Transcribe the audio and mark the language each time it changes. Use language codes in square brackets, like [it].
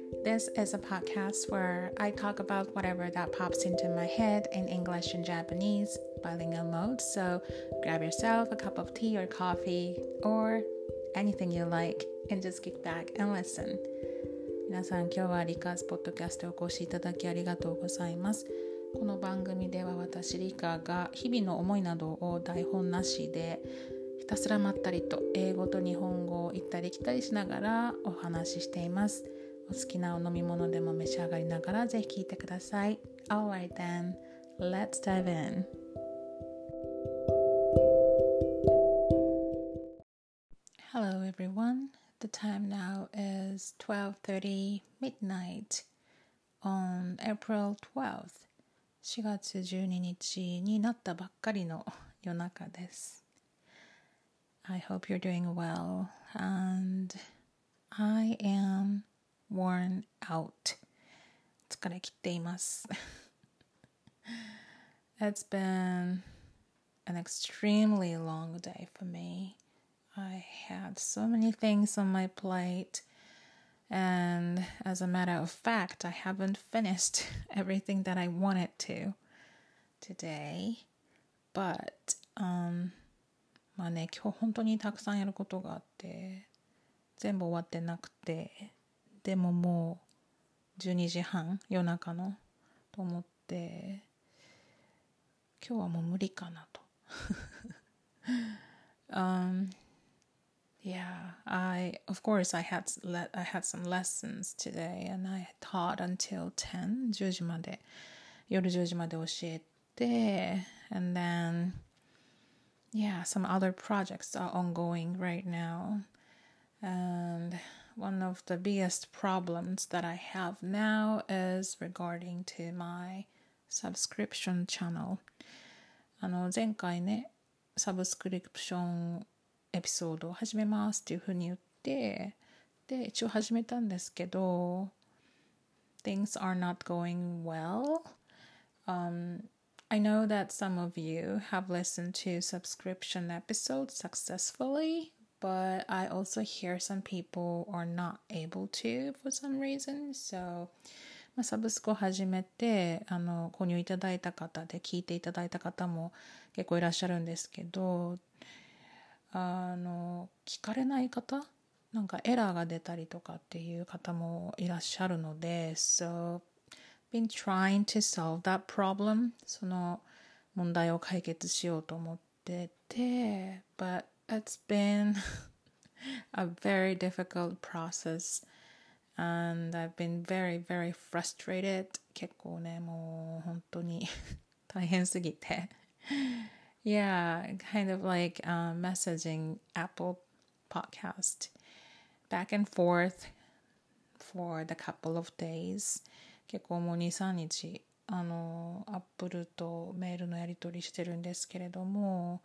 [en] This is a podcast where I talk about whatever that pops into my head in English and Japanese, bilingual mode. So grab yourself a cup of tea or coffee or anything you like and just kick back and listen. [ja] 皆さん、今日は Rika's podcast をお越しいただきありがとうございます。この番組では私、リカが日々の思いなどを台本なしでひたすらまったりと英語と日本語を行ったり来たりしながらお話ししています。お好きなお飲み物でも召し上がりながらぜひ聞いてください。 [en] All right then, let's dive in. Hello everyone, the time now is 12:30 midnight on April 12th. [ja] 4月12日になったばっかりの夜中です。 [en] I hope you're doing well and I am worn out. [ja] 疲れ切っています。 [en] It's been an extremely long day for me. I had so many things on my plate. And as a matter of fact, I haven't finished everything that I wanted to today. But, [ja] まあね、今日本当にたくさんやることがあって、全部終わってなくて、でももう12時半、夜中の、と思って、今日はもう無理かなと。 [en] Yeah, I had some lessons today and I taught until 10, [ja] 10時まで、夜10時まで教えて [en] and then, yeah, some other projects are ongoing right now and one of the biggest problems that I have now is regarding to my subscription channel. [ja] 前回ね、サブスクリプションエピソードを始めますっていうふうに言ってで一応始めたんですけど [en] Things are not going well. I know that some of you have listened to subscription episodes successfully, but I also hear some people are not able to for some reason. So, [ja] まあ、サブスクを始めて購入いただいた方で聞いていただいた方も結構いらっしゃるんですけど聞かれない方なんかエラーが出たりとかっていう方もいらっしゃるので [en] So, been trying to solve that problem [ja] その問題を解決しようと思ってて [en] But it's been a very difficult process And I've been very, very frustrated [ja] 結構ね、もう本当に大変すぎて [en] Yeah, kind of like messaging Apple Podcast back and forth for the couple of days. [ja] 結構もう 2-3 日、Apple とメールのやり取りしてるんですけれども